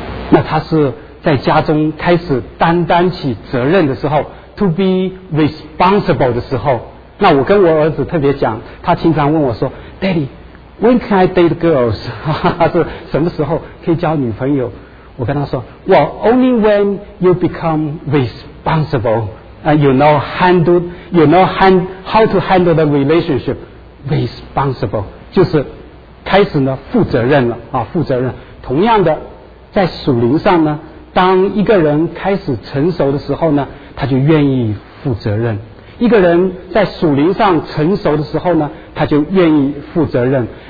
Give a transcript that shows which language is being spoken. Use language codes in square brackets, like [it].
[zh] 那他是在家中开始担当起责任的时候 ， [en] to be responsible [zh] 的时候。那我跟我儿子特别讲，他经常问我说 ： [en] “Daddy, when can I date girls？” [zh] 是什么时候可以交女朋友？我跟他说 [en] ：“Well, only when you become responsible, how to handle the relationship. [zh] Responsible 就是开始呢负责任了啊，负责任。同样的，在属灵上呢。” 当一个人开始成熟的时候呢，他就愿意负责任。一个人在属灵上成熟的时候呢，他就愿意负责任。